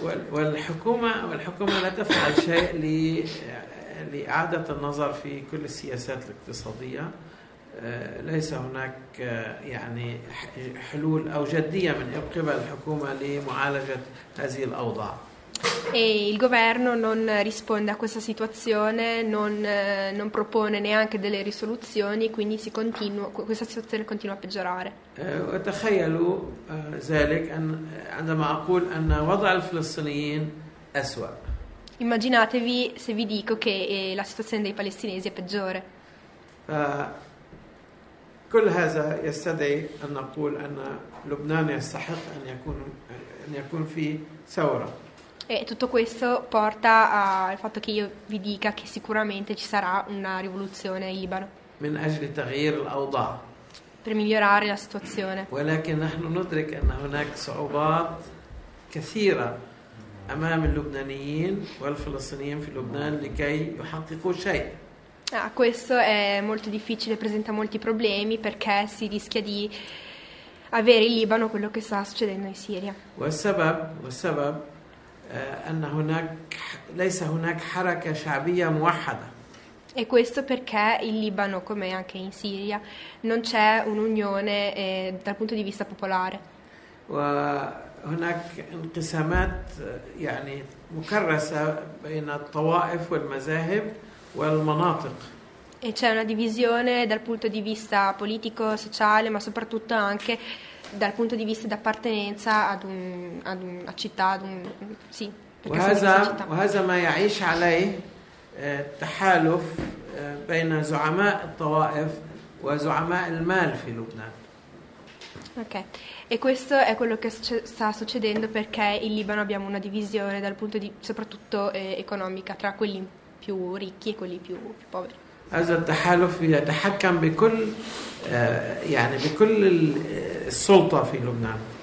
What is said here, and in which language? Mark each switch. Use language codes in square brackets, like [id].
[ar] والحكومة لا تفعل شيء لإعادة النظر في كل السياسات الاقتصادية، ليس هناك يعني حلول أو جدية من قبل الحكومة لمعالجة هذه الأوضاع. [it] E il governo non risponde a questa situazione, non propone neanche delle risoluzioni, quindi questa situazione continua a peggiorare. [ar] وتخيلوا ذلك عندما أقول أن وضع الفلسطينيين أسوأ. [it] Immaginatevi se vi dico che la situazione dei palestinesi è peggiore. [ar] فكل هذا يستدعي أن نقول أن لبنان يستحق أن يكون فيه ثورة. [it] E tutto questo porta al fatto che io vi dica che sicuramente ci sarà una rivoluzione in Libano [ar] من أجل تغيير الأوضاع. [it] per migliorare la situazione. [ar] ولكن نحن ندرك أن هناك صعوبات كثيرة أمام اللبنانيين والفلسطينيين في لبنان لكي يحققوا شيء. [it] Ah, questo è molto difficile, presenta molti problemi perché si rischia di avere in Libano quello che sta succedendo in Siria. [ar] والسبب أن هناك ليس هناك حركة شعبية موحدة. [it] E questo perché in Libano, come anche in Siria, non c'è un'unione dal punto di vista popolare. [ar] وهناك انقسامات يعني مكرسة بين الطوائف والمذاهب والمناطق. [it] E c'è una divisione dal punto di vista politico, sociale, ma soprattutto anche dal punto di vista di appartenenza a città, sì, perché sono di questa città. [ar] وهذا ما يعيش عليه تحالف بين زعماء الطوائف وزعماء المال في لبنان. [it] Ok, e questo è quello che sta succedendo perché in Libano abbiamo una divisione dal punto di vista soprattutto economica tra quelli più ricchi e quelli più poveri. [ar] هذا التحالف يتحكم بكل يعني بكل السلطة في لبنان.